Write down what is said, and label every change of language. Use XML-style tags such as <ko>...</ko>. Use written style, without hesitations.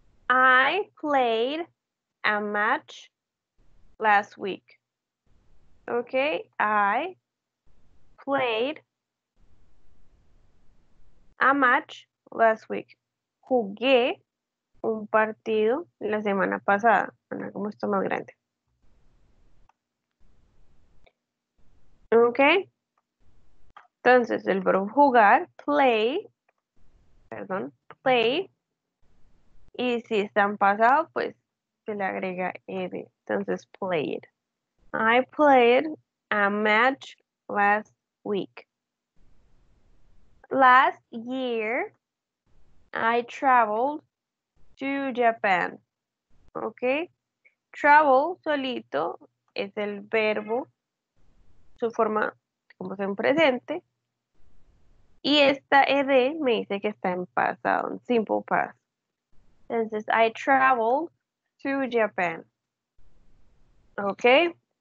<en>I played a match last week. Okay, I played a match last week.</en> <es>Jugué un partido la semana pasada. Bueno, como esto más grande. Okay. Entonces, el verbo jugar, play, perdón, play. Y si está en pasado, pues se le agrega ed. Entonces, played.</es> <en>I played a match last week. Last year, I traveled to Japan.</en> <es>¿Ok? Travel solito es el verbo, su forma como sea en presente. Y esta ed me dice que está en pasado, en simple past.</es> <en>Entonces, I traveled to Japan. Okay.</en>